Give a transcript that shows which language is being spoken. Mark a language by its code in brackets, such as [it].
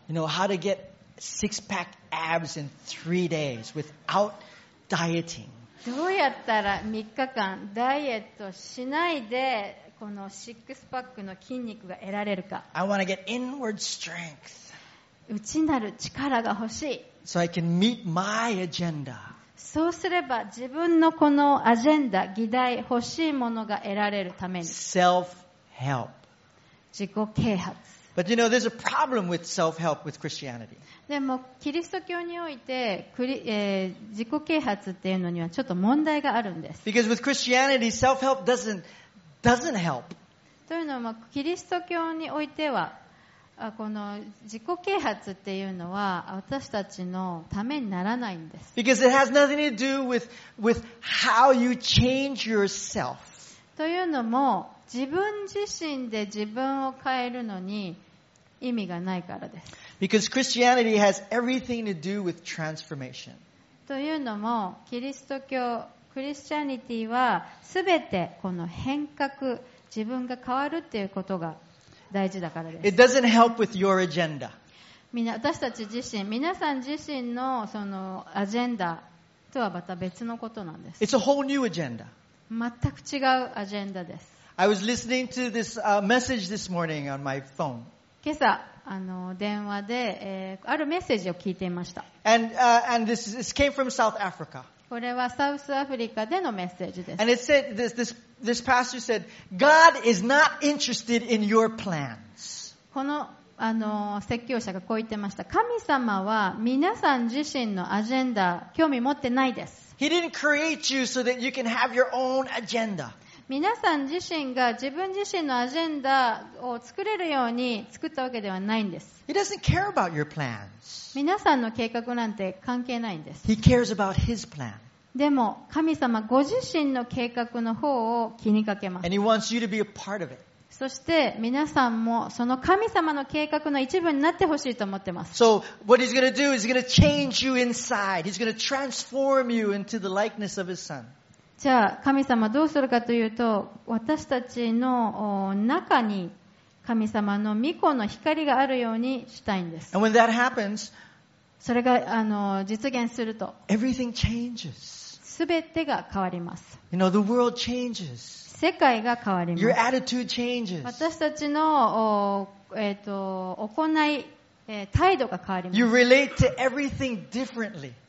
[en] You know, how to get six pack abs in three days without dieting. [ja] どうやったら3日間ダイエットしないでこのシックスパックの筋肉が得られるか。 [en] I want to get inward strength. [ja] 内なる力が欲しい。 [en] So I can meet my agenda. [ja] そうすれば自分のこのアジェンダ、議題、欲しいものが得られるために。 [en] Self-help. [ja] 自己啓発。 [en] But you know, there's a problem with self-help with Christianity. [ja] でもキリスト教において、自己啓発っていうのにはちょっと問題があるんです。 [en] Because with Christianity, self-help doesn't help. [ja] というのもキリスト教においては、この自己啓発っていうのは私たちのためにならないんです。 [en] Because it has nothing to do with how you change yourself. [ja] というのも自分自身で自分を変えるのに意味がないからです。 [en] Because Christianity has everything to do with transformation. [ja] というのも、キリスト教、クリスチャニティはすべてこの変革、自分が変わるっていうことが大事だからです。 [en] It doesn't help with your agenda. [ja] 私たち自身、皆さん自身のそのアジェンダとはまた別のことなんです。 [en] It's a whole new agenda. [ja] 全く違うアジェンダです。 [en] I was listening to this message this morning on my phone. [ja] 今朝電話で、あるメッセージを聞いていました。 [en] And this came from South Africa. [ja] これはサウスアフリカでのメッセージです。 [en] And it said this pastor said, God is not interested in your plans. [ja] この説教者がこう言ってました。神様は皆さん自身のアジェンダ興味持ってないです。 [en] He didn't create you so that you can have your own agenda. [ja] 皆さん自身が自分自身のアジェンダを作れるように作ったわけではないんです。 [en] He doesn't care about your plans. [ja] 皆さんの計画なんて関係ないんです。 [en] He cares about his plan. [ja] でも神様ご自身の計画の方を気にかけます。 [en] And he wants you to be a part of it. [ja] そして皆さんもその神様の計画の一部になってほしいと思ってます。 [en] So what he's going to do is he's going to change you inside. He's going to transform you into the likeness of his son. [ja] じゃあ神様どうするかというと、私たちの中に神様の御子の光があるようにしたいんです。 [en] And when that happens, [ja] それが実現すると、 [en] everything changes. [ja] すべてが変わります。 [en] You know, the world changes. [ja] 世界が変わります。 [en] Your attitude changes. [ja] 私たちの行い、態度が変わります。 [en] You relate to everything differently.